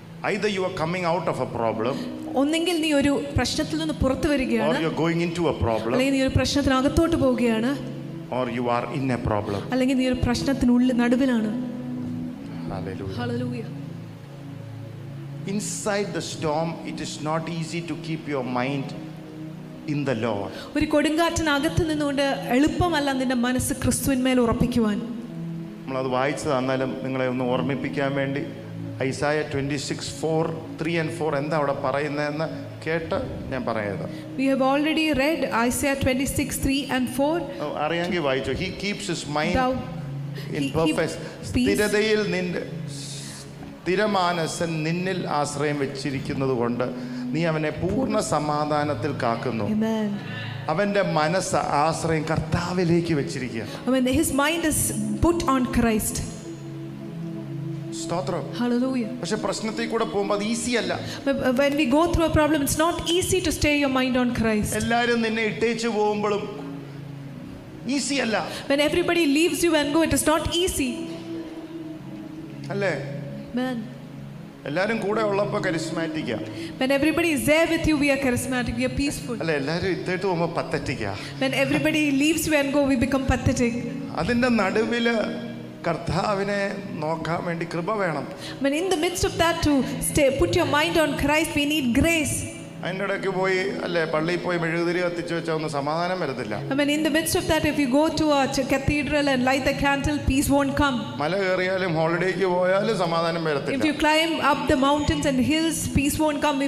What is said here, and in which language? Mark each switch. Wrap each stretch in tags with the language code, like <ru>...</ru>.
<en>either you are coming out of a problem,</en> <ml>ഒന്നെങ്കിൽ നീ ഒരു പ്രശ്നത്തിൽ നിന്ന് പുറത്തു വരികയാണ്,</ml> <en>or you are going into a problem,</en> <ml>അല്ലെങ്കിൽ നീ ഒരു പ്രശ്നത്തിനകത്തോട്ട് പോവുകയാണ്,</ml> <en>or you are in a problem,</en> <ml>അല്ലെങ്കിൽ നീ ഒരു പ്രശ്നത്തിനുള്ളിൽ നടുവിലാണ്.</ml> <en>Hallelujah. Hallelujah. Inside the storm, it is not easy to keep your mind in the Lord.</en> <ml>ഒരു കൊടുങ്കാറ്റിനകത്ത് നിന്നുകൊണ്ട് എളുപ്പമല്ല നിന്റെ മനസ്സ് ക്രിസ്തുവിന്മേൽ ഉറപ്പിക്കുവാൻ. നമ്മളത് വായിച്ചതാന്നാലും നിങ്ങളെ ഒന്ന് ഓർമ്മിപ്പിക്കാൻ വേണ്ടി ഐസായ 26:4-3 എന്താ അവിടെ പറയുന്നതെന്ന് കേട്ട് ഞാൻ പറയുന്നത്.</ml> <en>We have already read Isaiah 26:3-4.</en> <ml>അറിയാമെങ്കിൽ വായിച്ചോ.</ml> <en>He keeps his mind in perfect peace.</en> <ml>സ്ഥിരമാനസൻ നിന്നിൽ ആശ്രയം വെച്ചിരിക്കുന്നത് കൊണ്ട് നീ അവനെ പൂർണ്ണ സമാധാനത്തിൽ കാക്കുന്നു. അവന്റെ മനസ്സ് ആശ്രയം കർത്താവിലേക്ക് വെച്ചിരിക്കുക. സ്തോത്രം. ഹല്ലേലൂയ. പക്ഷേ പ്രശ്നത്തിൽ കൂടെ പോകുമ്പോൾ അത് ഈസി അല്ല.</ml> <en>When we go through a problem, it's not easy to stay your mind on Christ.</en> <ml>എല്ലാരും നിന്നെ ഇട്ടേച്ചു പോകുമ്പോഴും ഈസി അല്ല.</ml> <en>When everybody leaves you and go, it is not easy.</en> <ml>അല്ലേ?</ml> <en>Amen.</en> <ml>എല്ലാരും കൂടെ ഉള്ളപ്പോൾ charismatic.</ml> <en>When everybody is there with you, we are charismatic, we are peaceful.</en> <ml>അല്ലേ? എല്ലാരും ഇട്ടേച്ചു പോകുമ്പോൾ പതറ്റിക.</ml> <en>When everybody leaves you and go, we become pathetic.</en> <ml>അതിന്റെ നടുവില കർത്താവിനെ നോക്കാൻ വേണ്ടി കൃപ വേണം.</ml> <en>When in the midst of that to stay, put your mind on Christ, we need grace.</en> <ml>അതിന്റെ ഇടയ്ക്ക് പോയി അല്ലേ പള്ളിയിൽ പോയി മെഴുകുതിരി കത്തിച്ചു വെച്ചാൽ ഒന്നും സമാധാനം വരത്തില്ല.</ml> <en>When in the midst of that, if you go to a cathedral and light the candle, peace won't come.</en> <ml>മല കയറിയാലും ഹോളിഡേക്ക് പോയാലും സമാധാനം വരത്തില്ല.</ml> <en>If you climb up the mountains and hills, peace won't come.</en>